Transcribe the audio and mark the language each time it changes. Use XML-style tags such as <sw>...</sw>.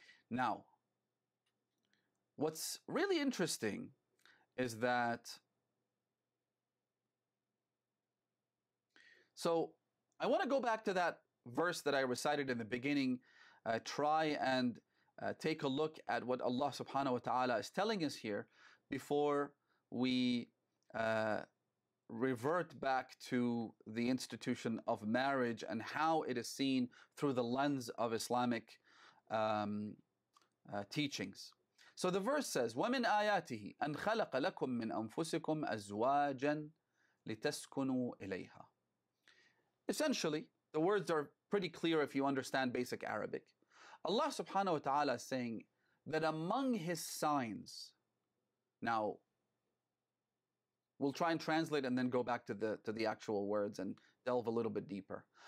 <en>Now, what's really interesting is that, so I want to go back to that verse that I recited in the beginning, try and take a look at what Allah subhanahu wa ta'ala is telling us here before we revert back to the institution of marriage and how it is seen through the lens of Islamic teachings. So the verse says,</en> <ar>وَمِنْ آيَاتِهِ أَنْ خَلَقَ لَكُمْ مِنْ أَنفُسِكُمْ أَزْوَاجًا لِتَسْكُنُوا إِلَيْهَا.</ar> <en>Essentially, the words are pretty clear if you understand basic Arabic. Allah subhanahu wa ta'ala is saying that among His signs, now, we'll try and translate and then go back to the actual words and delve a little bit deeper.</en>